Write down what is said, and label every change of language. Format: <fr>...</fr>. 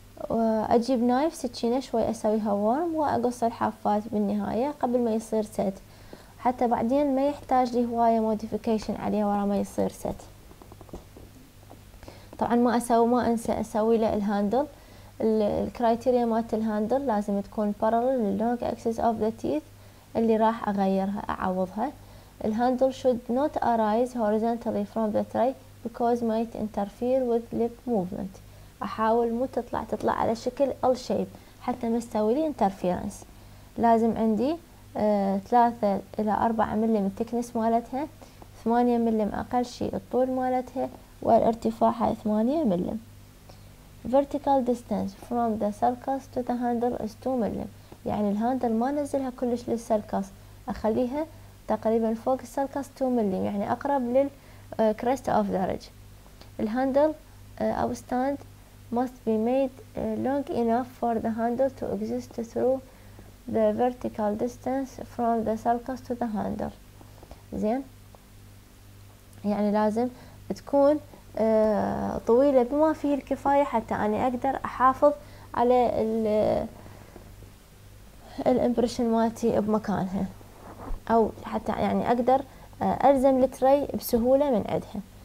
<ar>واجيب نايف سكينه شوي اسويها ورم واقص الحافات بالنهايه قبل ما يصير ست، حتى بعدين ما يحتاج لي هوايه موديفيكيشن عليه ورا ما يصير ست. طبعا ما اسوي ما انسى اسوي له الهاندل، الكرايتيريا مالت الهاندل لازم تكون</ar> <en>parallel للونج axis of the teeth</en> <ar>اللي راح اغيرها اعوضها.</ar> <en>الهاندل should not arise horizontally from the tray because might interfere with lip movement.</en> <ar>احاول مو تطلع على شكل L shape حتى ما تسوي لي انترفيرنس. لازم عندي 3 الى 4 ملم الثكنس مالتها، 8 ملم اقل شيء الطول مالتها، وارتفاعها 8 ملم.</ar> <en>vertical distance from the circus to the handle is</en> <ar>2 ملم، يعني الهاندل ما نزلها كلش للسلكس، اخليها تقريبا فوق السلكس 2 ملم، يعني اقرب</ar> <en>للكريست of the ridge. الهاندل او stand must be made long enough for the handle to exist through the vertical distance from the sulcus to the handle.</en> <ar>زين، يعني لازم تكون طويلة بما فيه الكفاية حتى اني اقدر احافظ على الامبريشن مالتي بمكانها، او حتى يعني اقدر الزم التري بسهولة من عندها.</ar>